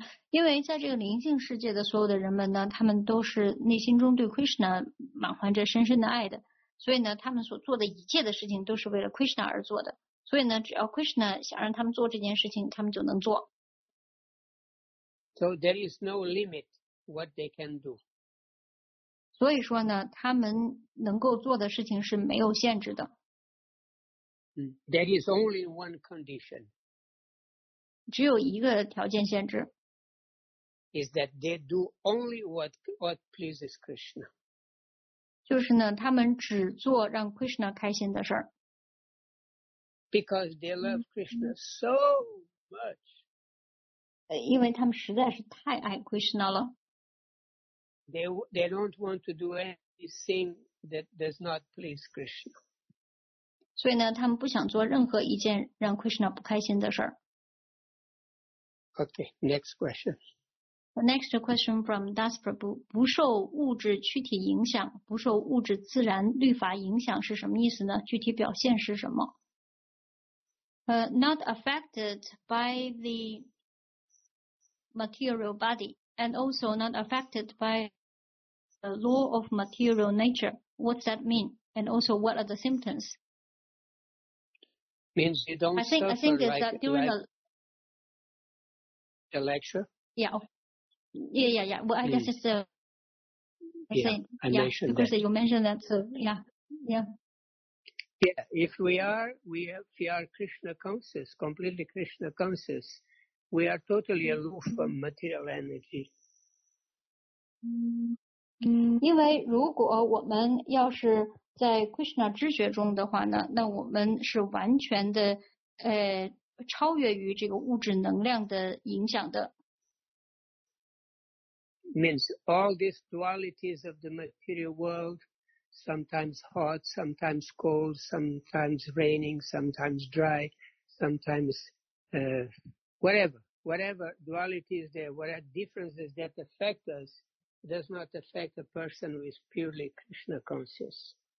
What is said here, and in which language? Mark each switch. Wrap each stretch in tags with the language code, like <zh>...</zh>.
<zh>因为在这个灵性世界的所有的人们呢，他们都是内心中对 Krishna 满怀着深深的爱的，所以呢，他们所做的一切的事情都是为了 Krishna 而做的，所以呢，只要 Krishna 想让他们做这件事情，他们就能做。</zh> <en>So there is no limit what they can do.</en> <zh>所以说呢，他们能够做的事情是没有限制的。</zh> <en>There is only one condition.</en> <zh>只有一个条件限制</zh> <en>is that they do only what pleases Krishna.</en> <zh>就是呢，他们只做让 Krishna 开心的事儿。</zh> <en>Because they love Krishna so much.</en> <zh>因为他们实在是太爱 Krishna 了。</zh> <en>They don't want to do anything that does not please Krishna.</en> <zh>所以呢，他们不想做任何一件让 Krishna 不开心的事儿。</zh> <en>Okay, next question. The next question from Das Prabhu.</en> <zh>不受物质躯体影响，不受物质自然律法影响是什么意思呢？具体表现是什么？</zh> <en>Not affected by the material body, and also not affected by the law of material nature. What's that mean? And also, what are the symptoms? Means you don't suffer like that during the lecture? Yeah. Yeah. Well, I guess it's If we are Krishna conscious, completely Krishna conscious, we are totally aloof from material energy.</en> <zh>因为如果我们要是在 Krishna 知觉中的话呢，那我们是完全的超越于这个物质能量的影响的。</zh> <en>Means all these dualities of the material world, sometimes hot, sometimes cold, sometimes raining, sometimes dry, sometimes whatever dualities there, whatever differences that affect us, does not affect a person who is purely Krishna conscious.</en>